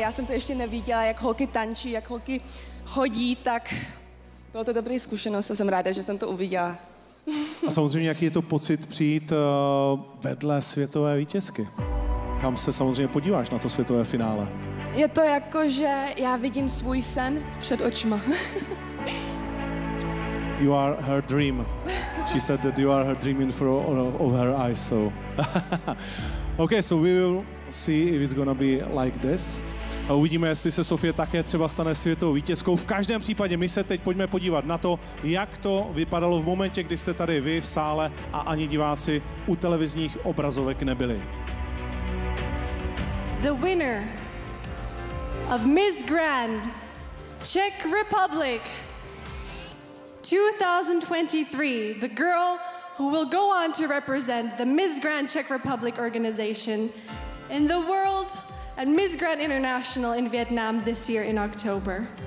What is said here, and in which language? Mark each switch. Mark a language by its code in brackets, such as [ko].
[cs] Já jsem to ještě neviděla, jak holky tančí, jak holky chodí, tak bylo to dobrý zkušenost a jsem ráda, že jsem to uviděla. A samozřejmě, jaký je to pocit přijít vedle světové vítězky? Kam se samozřejmě podíváš na to světové finále? Je to jako, že já vidím svůj sen před očima. [en] You are her dream. She said that you are her dream in front of her eyes, so... Okay, so we will see if it's gonna be like this. [cs] A uvidíme, jestli se Sofie také třeba stane světovou vítězkou. V každém případě my se teď pojďme podívat na to, jak to vypadalo v momentě, kdy jste tady vy v sále a ani diváci u televizních obrazovek nebyli. [en] The winner of Miss Grand Czech Republic 2023, the girl who will go on to represent the Miss Grand Czech Republic organization in the world and Miss Grand International in Vietnam this year in October.